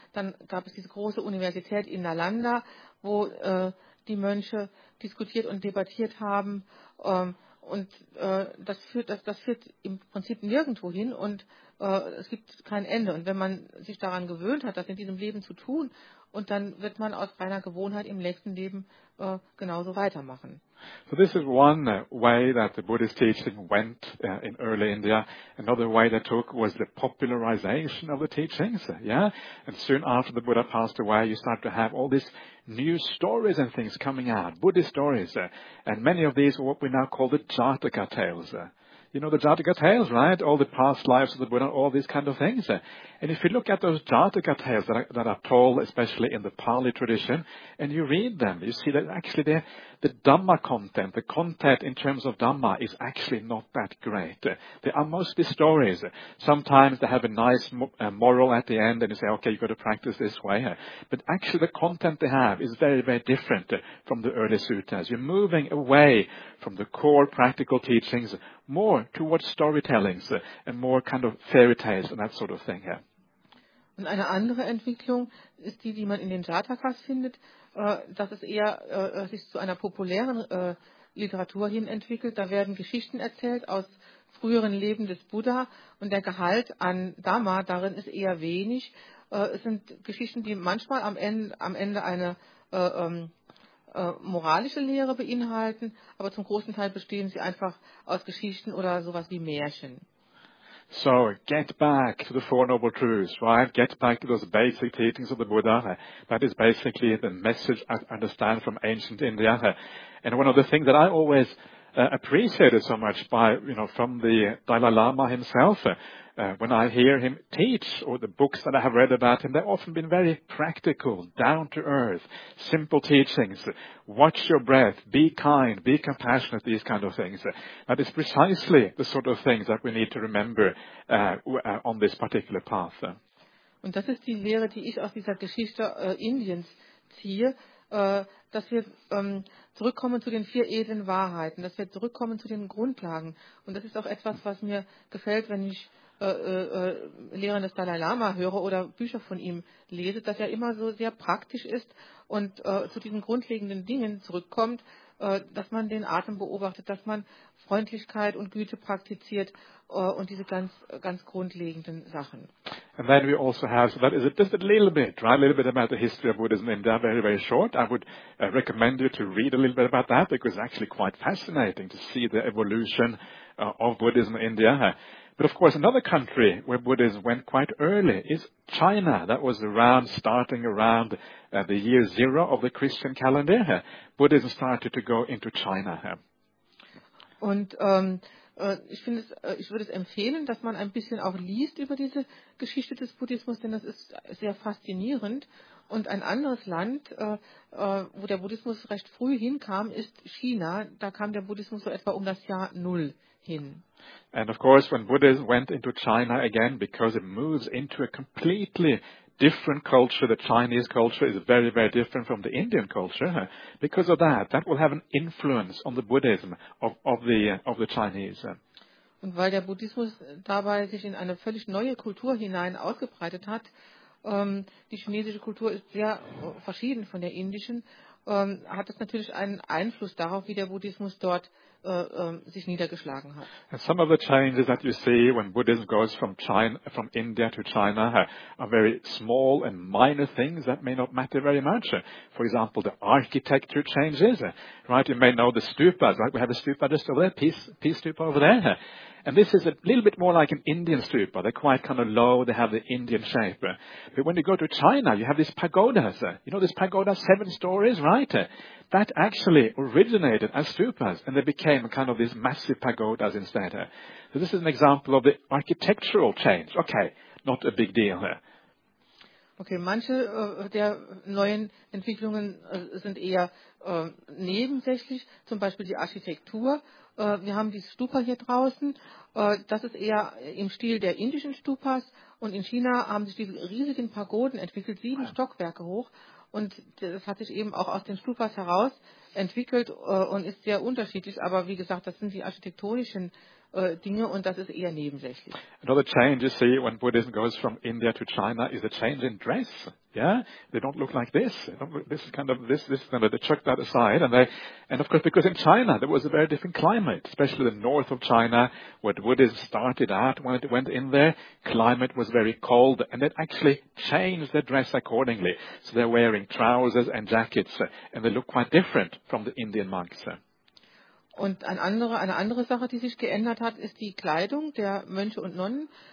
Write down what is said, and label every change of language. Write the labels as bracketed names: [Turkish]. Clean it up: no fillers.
[German] Dann gab es diese große Universität in Nalanda, wo die Mönche diskutiert und debattiert haben. Und das führt im Prinzip nirgendwo hin und es gibt kein Ende. Und wenn man sich daran gewöhnt hat, das in diesem Leben zu tun, und dann wird man aus reiner Gewohnheit im nächsten Leben genauso weitermachen. [English] So this is one way that the Buddhist teaching went in early India. Another way they took was the popularization of the teachings. Yeah? And soon after the Buddha passed away, you start to have all these new stories and things coming out, Buddhist stories. And many of these are what we now call the Jataka tales. You know the Jataka tales, right? All the past lives of the Buddha, all these kind of things. And if you look at those Jataka tales that are told, especially in the Pali tradition, and you read them, you see that actually the Dhamma content, the content in terms of Dhamma, is actually not that great. They are mostly stories. Sometimes they have a nice moral at the end, and you say, okay, you've got to practice this way. But actually the content they have is very, very different from the early suttas. You're moving away from the core practical teachings, more towards storytellings and more kind of fairy tales and that sort of thing. Yeah. [German] Und eine andere Entwicklung ist die man in den Jatakas findet, dass es eher sich zu einer populären Literatur hin entwickelt. Da werden Geschichten erzählt aus früheren Leben des Buddha und der Gehalt an Dhamma darin ist eher wenig. Es sind Geschichten, die manchmal am Ende eine moralische Lehre beinhalten, aber zum großen Teil bestehen sie einfach aus Geschichten oder sowas wie Märchen. [English] So, get back to the Four Noble Truths, right? Get back to those basic teachings of the Buddha. That is basically the message I understand from ancient India. And one of the things that I always appreciated so much by, you know, from the Dalai Lama himself, when I hear him teach, or the books that I have read about him, they've often been very practical, down to earth, simple teachings. Watch your breath, be kind, be compassionate, these kind of things. That is precisely the sort of things that we need to remember on this particular path. [German] Und das ist die Lehre, die ich aus dieser Geschichte Indiens ziehe, dass wir zurückkommen zu den vier edlen Wahrheiten, dass wir zurückkommen zu den Grundlagen. Und das ist auch etwas, was mir gefällt, wenn ich Lehren des Dalai Lama höre oder Bücher von ihm lese, dass er immer so sehr praktisch ist und zu diesen grundlegenden Dingen zurückkommt, dass man den Atem beobachtet, dass man Freundlichkeit und Güte praktiziert und diese ganz, ganz grundlegenden Sachen. [English] And then we also have, so that is just a little bit, right, a little bit about the history of Buddhism in India, very, very short. I would recommend you to read a little bit about that, because it's actually quite fascinating to see the evolution of Buddhism in India. But of course, another country where Buddhism went quite early is China. That was around, starting around the year zero of the Christian calendar. Buddhism started to go into China. [German] Und ich finde, ich würde es empfehlen, dass man ein bisschen auch liest über diese Geschichte des Buddhismus, denn das ist sehr faszinierend. Und ein anderes Land, wo der Buddhismus recht früh hinkam, ist China. Da kam der Buddhismus so etwa um das Jahr Null hin. [English] And of course, when Buddhism went into China again, because it moves into a completely different culture, the Chinese culture is very, very different from the Indian culture. Because of that, that will have an influence on the Buddhism of the Chinese. [German] Und weil der Buddhismus dabei sich in eine völlig neue Kultur hinein ausgebreitet hat, die chinesische Kultur ist sehr verschieden von der indischen, hat das natürlich einen Einfluss darauf, wie der Buddhismus dort sich niedergeschlagen hat. [English] And some of the changes that you see when Buddhism goes from India to China are very small and minor things that may not matter very much. For example, the architecture changes. Right? You may know the stupas. Right? We have a stupa just over there, peace stupa over there. And this is a little bit more like an Indian stupa. They're quite kind of low. They have the Indian shape. But when you go to China, you have these pagodas. You know these pagodas, seven stories, right? That actually originated as stupas, and they became kind of these massive pagodas instead. So this is an example of the architectural change. Okay, not a big deal. [German] Okay, manche der neuen Entwicklungen sind eher nebensächlich, zum Beispiel die Architektur. Wir haben dieses Stupa hier draußen. Das ist eher im Stil der indischen Stupas. Und in China haben sich diese riesigen Pagoden entwickelt, sieben Stockwerke hoch. Und das hat sich eben auch aus den Stupas heraus entwickelt und ist sehr unterschiedlich. Aber wie gesagt, das sind die architektonischen Dinge und das ist eher nebensächlich. [English] Another change you see when Buddhism goes from India to China is a change in dress. Yeah, they don't look like this. This is kind of they chuck that aside and of course because in China there was a very different climate, especially the north of China where Buddhism started out when it went in there. Climate was very cold and they actually changed their dress accordingly. So they're wearing trousers and jackets and they look quite different from the Indian monks. [German] Und eine andere Sache, die sich geändert hat, ist die Kleidung der Mönche und Nonnen.